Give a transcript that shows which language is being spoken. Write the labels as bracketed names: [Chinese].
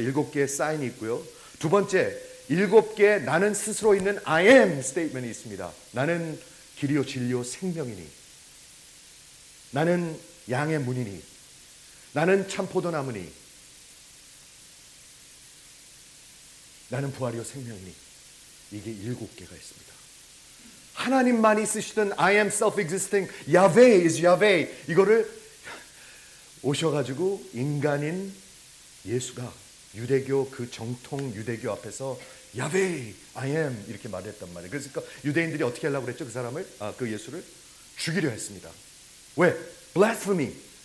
[Korean] 7개의 사인이 있고요. 두 번째, 7개의 나는 스스로 있는 I am 스테이트먼이 있습니다. 나는 길이요 진리요 생명이니. 나는 양의 문이니. 나는 참포도나무니. 나는 부활이요 생명이니. 이게 7개가 있습니다. 하나님만이 쓰시던 [English] I am self-existing, Yahweh is Yahweh. [Korean] 이거를 오셔가지고 인간인 예수가 유대교 그 정통 유대교 앞에서 야베이 I am 이렇게 말했단 말이에요. 그러니까 유대인들이 어떻게 하려고 그랬죠? 그 사람을 그 예수를 죽이려 했습니다. 왜? Blasphemy.